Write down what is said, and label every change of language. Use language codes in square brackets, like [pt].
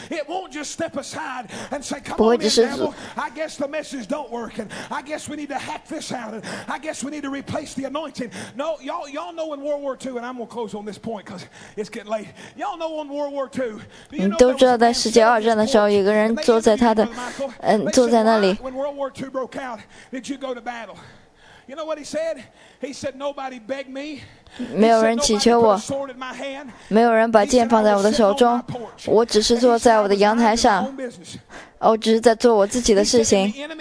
[en] It won't just step aside and say, "Come on, devil. I guess the message don't work, and I guess we need to hack this out, and I guess we need to replace the anointing." No, y'all know in World War II, and I'm gonna close on this point because it's getting late. Y'all know in World War II. [zh] 你都知道在世界二战的时候，有个人坐在他的，坐在那里。 [en] When World War II broke out, did you go to battle? You know what he said? He said nobody begged me. [zh] 没有人祈求我，没有人把剑放在我的手中，我只是坐在我的阳台上，我只是在做我自己的事情。